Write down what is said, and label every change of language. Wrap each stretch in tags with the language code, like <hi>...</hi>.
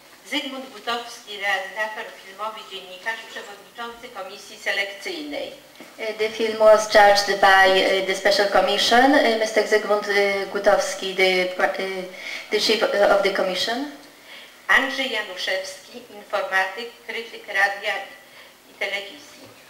<pl>Zygmunt Butowski, realizator filmowy, dziennikarz, przewodniczący komisji selekcyjnej.</pl> <en>The film was judged by the special commission, Mr. Zygmunt Gutowski, the chief of the commission.</en> <pl>Andrzej Januszewski, informatyk, krytyk radia i telewizji.</pl>